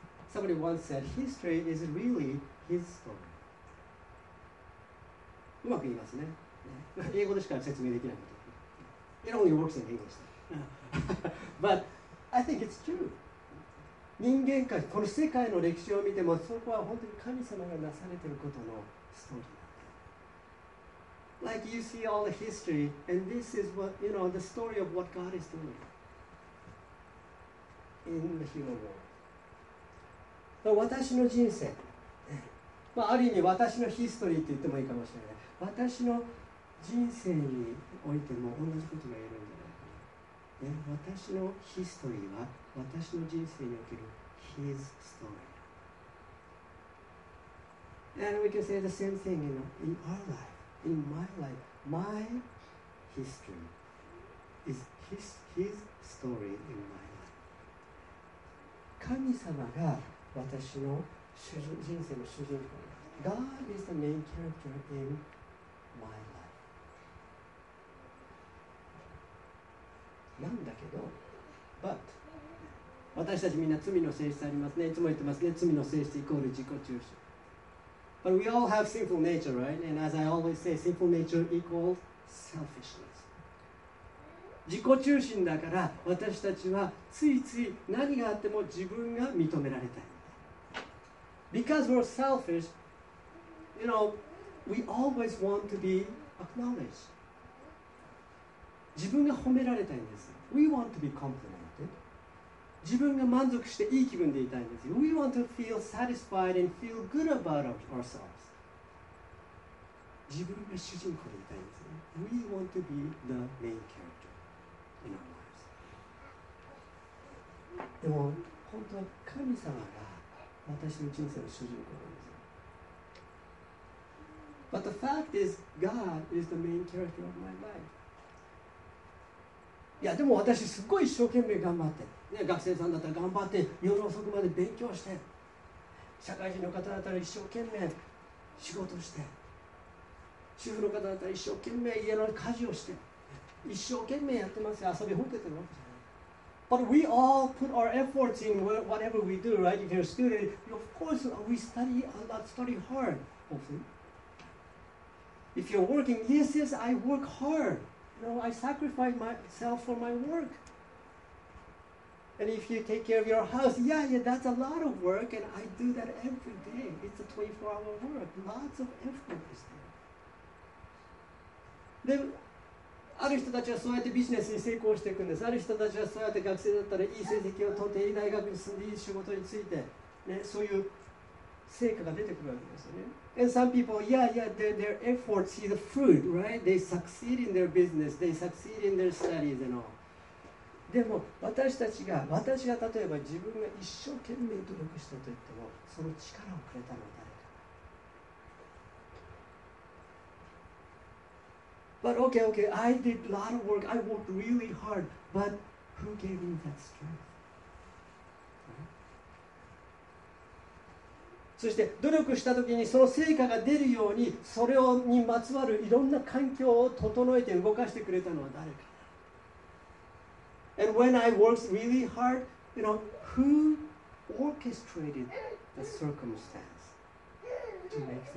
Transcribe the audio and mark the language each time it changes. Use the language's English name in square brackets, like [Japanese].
[English] Somebody once said, history is really His story. [Japanese] うまく言いますね。英語でしか説明できないこと。 [English] It only works in English. But I think it's true. [Japanese] 人間界、この世界の歴史を見ても、そこは本当に神様がなされていることのストーリー。 [English] Like you see all the history, and this is what, you know, the story of what God is doing. In the human world. [Japanese] 私の人生、まあ、ある意味私のヒストリーと言ってもいいかもしれない。私の人生においても同じことが言えるんじゃないかな。ね、私のヒストリーは私の人生における [English] His story. And we can say the same thing, you know, in our life, in my life, my history is his story in my life. [Japanese] 神様が私の人生の主人公。 [English] God is the main character in my life. [Japanese] なんだけど、 but 私たちみんな罪の性質ありますね。いつも言ってますね。罪の性質イコール自己中心。 [English] But we all have sinful nature, right? And as I always say, sinful nature equals selfishness. [Japanese] 自己中心だから私たちはついつい何があっても自分が認められたい。 [English] Because we're selfish, you know, we always want to be acknowledged. [Japanese] 自分が褒められたいんです。 [English] We want to be complimented. [Japanese] 自分が満足していい気分でいたいんですよ。 [English] We want to feel satisfied and feel good about ourselves. [Japanese] 自分が主人公でいたいんですね。 [English] We want to be the main character in our lives. [Japanese] でも本当は神様が私の人生の主人公なんですよ。 [English] But the fact is, God is the main character of my life. [Japanese] いやでも私すっごい一生懸命頑張って、ね、学生さんだったら頑張って夜遅くまで勉強して、社会人の方だったら一生懸命仕事して、主婦の方だったら一生懸命家の家事をして、一生懸命やってますよ、遊びほっけてるわけじゃない。 [English] But we all put our efforts in whatever we do, right? If you're a student, of course we study a lot, study hard, hopefully. If you're working, yes, yes, I work hardNo, I sacrifice myself for my work. And if you take care of your house, yeah, yeah, that's a lot of work, and I do that every day. It's a 24-hour work. Lots of effort is there. [Japanese] で、ある人たちはそうやってビジネスに成功していくんです。ある人たちはそうやって学生だったらいい成績を取っていい大学に進んでいい仕事について、ね、そういう成果が出てくるわけですよね。 [English] And some people, yeah, yeah, their efforts see the fruit, right? They succeed in their business, they succeed in their studies and all. [Japanese] でも私たちが、私が例えば自分が一生懸命努力したと言っても、その力をくれたのは誰か。 [English] But okay, okay, I did a lot of work, I worked really hard, but who gave me that strength? [Japanese] そして努力したときにその成果が出るように、それにまつわるいろんな環境を整えて動かしてくれたのは誰か。 [English] And when I worked really hard, you know, who orchestrated the circumstance to make things happen?